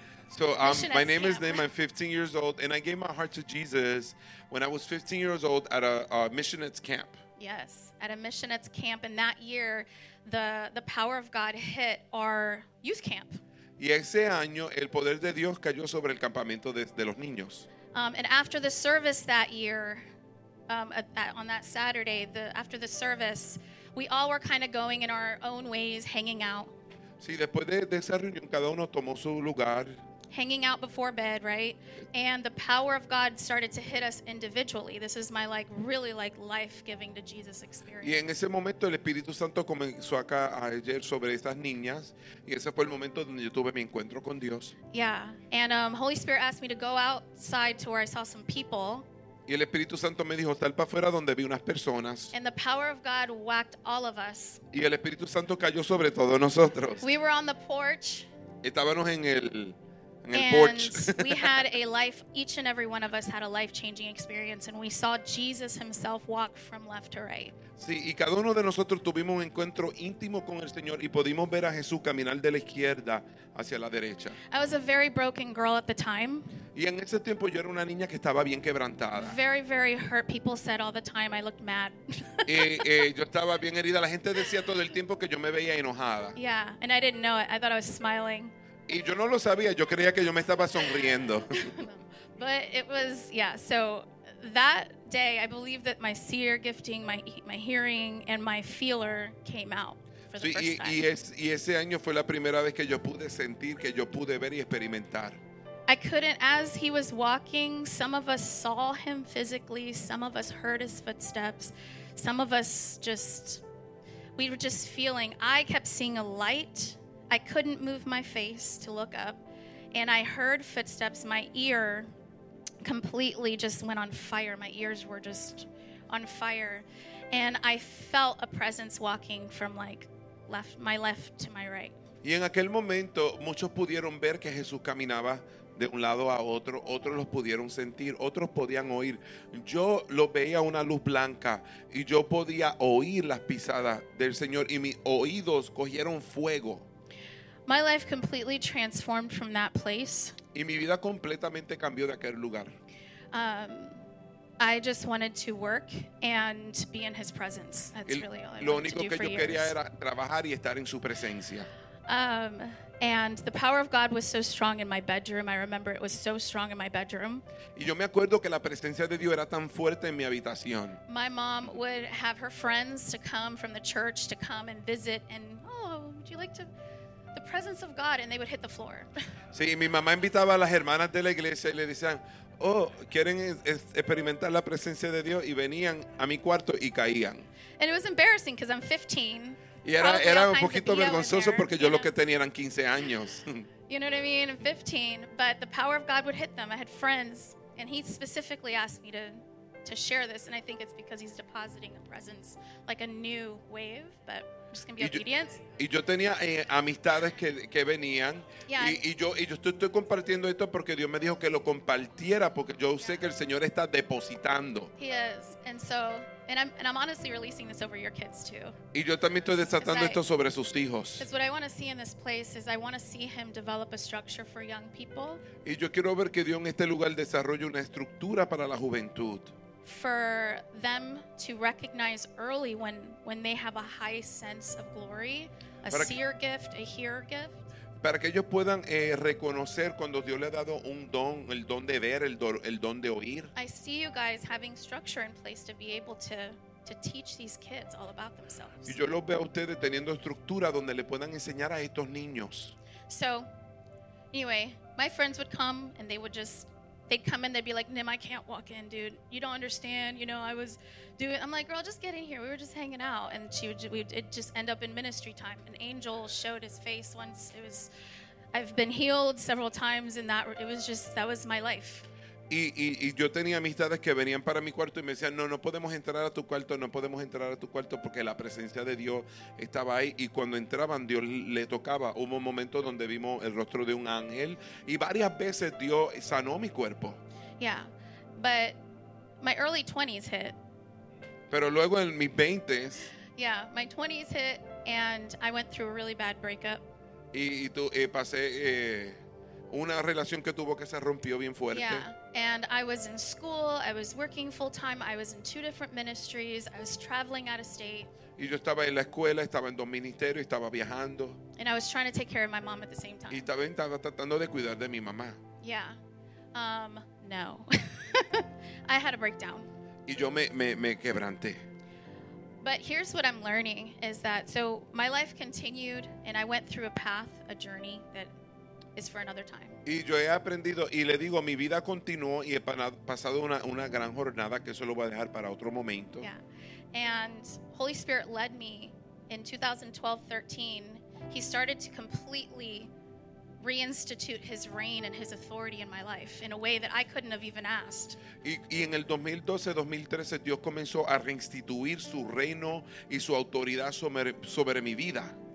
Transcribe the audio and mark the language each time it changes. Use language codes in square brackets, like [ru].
[en] So my name is Nim, I'm 15 years old, and I gave my heart to Jesus when I was 15 years old at a missionettes camp. Yes, at a missionettes camp, and that year, the power of God hit our youth camp. [es] Y ese año, el poder de Dios cayó sobre el campamento de los niños. [en] And after the service that year, on that Saturday, after the service, we all were kind of going in our own ways, hanging out. [es] Sí, después de esa reunión, cada uno tomó su lugar. [en] Hanging out before bed, right? And the power of God started to hit us individually. This is my really life-giving to Jesus experience. [es] Y en ese momento el Espíritu Santo comenzó acá ayer sobre estas niñas, y ese fue el momento donde yo tuve mi encuentro con Dios. [en] Yeah, and Holy Spirit asked me to go outside to where I saw some people. [es] Y el Espíritu Santo me dijo, sal para afuera donde vi unas personas. [en] And the power of God whacked all of us. [es] Y el Espíritu Santo cayó sobre todos nosotros. [en] We were on the porch. [es] Estábamos en el [en] and porch. We had a life, each and every one of us had a life-changing experience, and we saw Jesus himself walk from left to right. [es] Sí, y cada uno de nosotros tuvimos un encuentro íntimo con el Señor y pudimos ver a Jesús caminar de la izquierda hacia la derecha. [en] I was a very broken girl at the time. [es] Y en ese tiempo yo era una niña que estaba bien quebrantada. [en] Very, very hurt. People said all the time I looked mad. [es] Yo estaba bien herida. La gente decía todo el tiempo que yo me veía enojada. [en] Yeah, and I didn't know it. I thought I was smiling. [es] Y yo no lo sabía. Yo creía que yo me estaba sonriendo. [en] But it was, yeah, so that day, I believe that my seer gifting, my hearing, and my feeler came out for the first time. [es] Y ese año fue la primera vez que yo pude sentir, que yo pude ver y experimentar. [en] I couldn't, as he was walking, some of us saw him physically, some of us heard his footsteps, some of us just, we were just feeling, I kept seeing a light, I couldn't move my face to look up, and I heard footsteps, my ear completely just went on fire, my ears were just on fire, and I felt a presence walking from my left to my right. [es] Y en aquel momento, muchos pudieron ver que Jesús caminaba de un lado a otro, otros los pudieron sentir, otros podían oír. Yo lo veía una luz blanca y yo podía oír las pisadas del Señor y mis oídos cogieron fuego. [en] My life completely transformed from that place. [es] Y mi vida completamente cambió de aquel lugar. [en] I just wanted to work and be in his presence. That's really all I wanted to do. [es] Lo único que yo quería [en] years. [es] Era trabajar y estar en su presencia. [en] And the power of God was so strong in my bedroom. I remember it was so strong in my bedroom. [es] Y yo me acuerdo que la presencia de Dios era tan fuerte en mi habitación. [en] My mom would have her friends to come from the church to come and visit. And, would you like to... The presence of God, and they would hit the floor. [es] Sí, mi mamá invitaba a las hermanas de la iglesia y le decían, ¿quieren experimentar la presencia de Dios? Y venían a mi cuarto y caían. [en] And it was embarrassing because I'm 15. [es] Y era un poquito vergonzoso porque yo lo que tenía eran 15 años. [en] You know what I mean? I'm 15, but the power of God would hit them. I had friends, and he specifically asked me to share this, and I think it's because he's depositing a presence, like a new wave, but I'm just going to be obedient. [es] Y yo tenía amistades que venían, [en] yeah. [es] y yo estoy compartiendo esto porque Dios me dijo que lo compartiera, porque yo sé que el Señor está depositando. [en] He is, and so... And I'm honestly releasing this over your kids too. [es] Y yo también estoy desatando esto sobre sus hijos. [en] Because what I want to see in this place is I want to see him develop a structure for young people. [es] Y yo quiero ver que Dios en este lugar desarrolle una estructura para la juventud. [en] For them to recognize early when they have a high sense of glory, a seer gift, a hearer gift. [es] Para que ellos puedan reconocer cuando Dios le ha dado un don, el don de ver, el don de oír. [en] I see you guys having structure in place to be able to to teach these kids all about themselves. [es] Y yo los veo a ustedes teniendo estructura donde le puedan enseñar a estos niños. [en] So, anyway, my friends would come and they would just, they'd come and they'd be like, Nim, I can't walk in, dude. You don't understand. You know, I was doing, I'm like, girl, just get in here. We were just hanging out. And she would, it'd just end up in ministry time. An angel showed his face once. It was, I've been healed several times in that. It was just, that was my life. [es] Y yo tenía amistades que venían para mi cuarto y me decían, no, no podemos entrar a tu cuarto, no podemos entrar a tu cuarto porque la presencia de Dios estaba ahí. Y cuando entraban, Dios le tocaba. Hubo un momento donde vimos el rostro de un ángel y varias veces Dios sanó mi cuerpo. [en] Yeah, but my early 20s hit. [es] Pero luego en mis 20s. [en] Yeah, my 20s hit and I went through a really bad breakup. [es] Y pasé... una relación que tuvo que se rompió bien fuerte. [en] Yeah, and I was in school, I was working full time, I was in two different ministries, I was traveling out of state. [es] Y yo estaba en la escuela, estaba en dos ministerios, estaba viajando. [en] And I was trying to take care of my mom at the same time. [es] Y también estaba tratando de cuidar de mi mamá. [en] Yeah, no, I had a breakdown. [es] Y yo me quebranté. [en] But here's what I'm learning is that so my life continued and I went through a path, a journey that. Is for another time. [es] Y yo he aprendido y le digo mi vida continuó y he pasado una gran jornada que eso lo voy a dejar para otro momento. [en] Yeah. And Holy Spirit led me in 2012-13. He started to completely reinstitute his reign and his authority in my life in a way that I couldn't have even asked. [es] Y en el 2012-2013 Dios comenzó a reinstituir su reino y su autoridad sobre mi vida.